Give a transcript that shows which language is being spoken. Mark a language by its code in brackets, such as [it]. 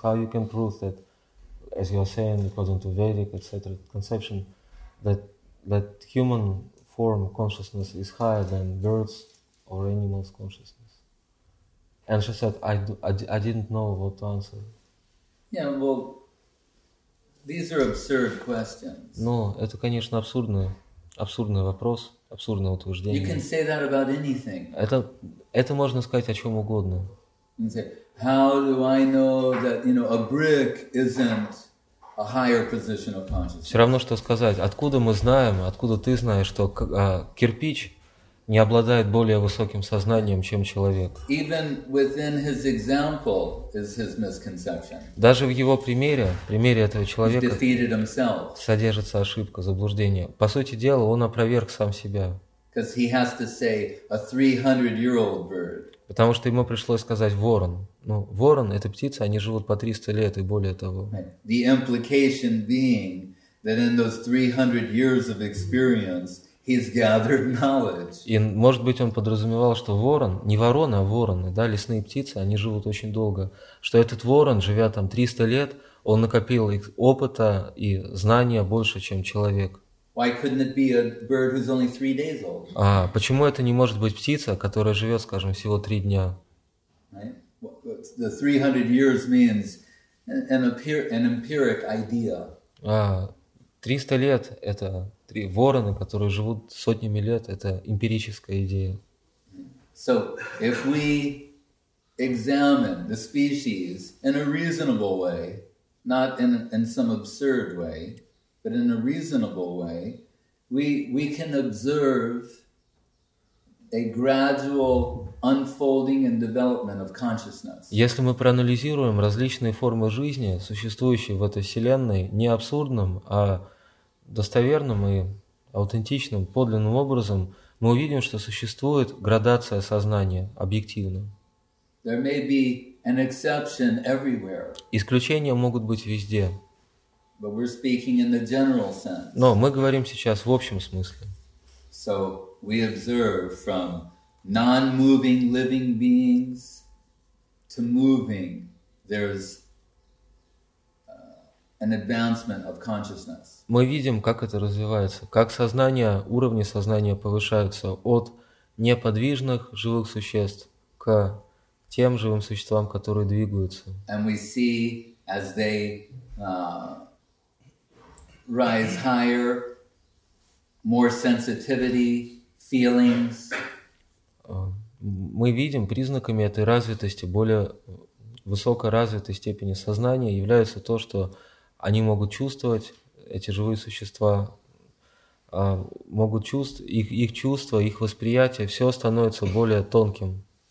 [en] How you can prove that, as you are saying, according to Vedic, etc., conception, that human form consciousness is higher than birds or animals consciousness? And she said, I didn't know what to answer. Yeah, well, these are absurd questions. [ru] Но это, конечно, абсурдный вопрос, абсурдное утверждение. [en] You can say that about anything. [ru] Это можно сказать о чем угодно. [en] How do I know that, you know, a brick isn't a higher position of consciousness? [ru] Все равно, что сказать, откуда мы знаем, откуда ты знаешь, что кирпич не обладает более высоким сознанием, чем человек. [en] Even within his example is his misconception. [ru] Даже в его примере, примере этого человека, содержится ошибка, заблуждение. По сути дела, он опроверг сам себя. [en] Because he has to say a 300-year-old bird. [ru] Потому что ему пришлось сказать ворон. Ну, ворон – это птица, они живут по 300 лет и более того. [en] The implication being that in those 300 years of experience, he's gathered knowledge. [ru] И, может быть, он подразумевал, что ворон, не ворона, а вороны, да, лесные птицы, они живут очень долго. Что этот ворон, живя там 300 лет, он накопил их опыта и знания больше, чем человек. [en] Why couldn't it be a bird who's only 3 days old? [ru] А почему это не может быть птица, которая живет, скажем, всего 3 дня? [en] Right? The 300 years means an empiric idea. [ru] А 300 лет – это три вороны, которые живут сотнями лет, это эмпирическая идея. [en] So, if we examine the species in a reasonable way, not in some absurd way, but in a reasonable way, we can observe a gradual unfolding and development of consciousness. [ru] Если мы проанализируем различные формы жизни, существующие в этой вселенной, не абсурдным, а достоверным и аутентичным, подлинным образом, мы увидим, что существует градация сознания, объективно. [en] There may be an exception everywhere. [ru] Исключения могут быть везде. [en] But we're speaking in the general sense. [ru] Но мы говорим сейчас в общем смысле. [en] So we observe from non-moving living beings to moving, there's an advancement of consciousness. [ru] Мы видим, как это развивается, как сознание, уровни сознания повышаются от неподвижных живых существ к тем живым существам, которые двигаются. [en] And we see as they rise higher, more sensitivity, feelings. [ru] Мы видим признаками этой развитости, более высокой развитой степени сознания является то, что они могут чувствовать, эти живые существа могут чувствовать, их чувства, их восприятие, все становится более тонким.